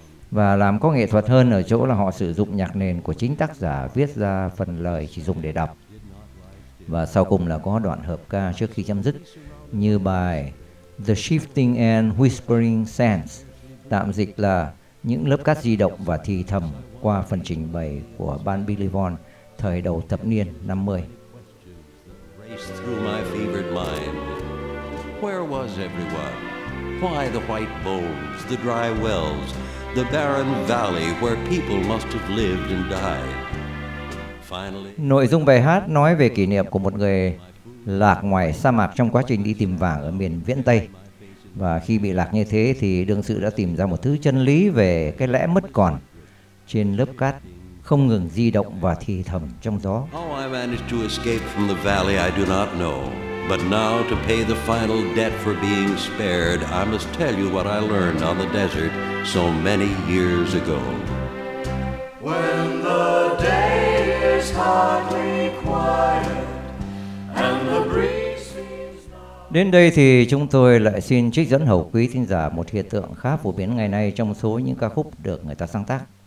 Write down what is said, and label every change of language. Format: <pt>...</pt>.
<vi>Và làm có nghệ thuật hơn ở chỗ là họ sử dụng nhạc nền của chính tác giả viết ra phần lời chỉ dùng để đọc, và sau cùng là có đoạn hợp ca trước khi chấm dứt, như bài The Shifting and Whispering Sands, tạm dịch là những lớp cát di động và thì thầm qua phần trình bày của ban Billy Vaughan thời đầu thập niên 50.</vi> <en>Race through my fevered mind. Where was everyone? Why the white bones, the dry wells, the barren valley where people must have lived and died?</en> <vi>Nội dung bài hát nói về kỷ niệm của một người lạc ngoài sa mạc trong quá trình đi tìm vàng ở miền Viễn Tây. Và khi bị lạc như thế thì đương sự đã tìm ra một thứ chân lý về cái lẽ mất còn trên lớp cát không ngừng di động và thì thầm trong gió.</vi> <en>How I managed to escape from the valley I do not know, but now to pay the final debt for being spared, I must tell you what I learned on the desert so many years ago. When the day</en> <vi>Đến đây thì chúng tôi lại xin trích dẫn hầu quý thính giả một hiện tượng khá phổ biến ngày nay trong số những ca khúc được người ta sáng tác.</vi>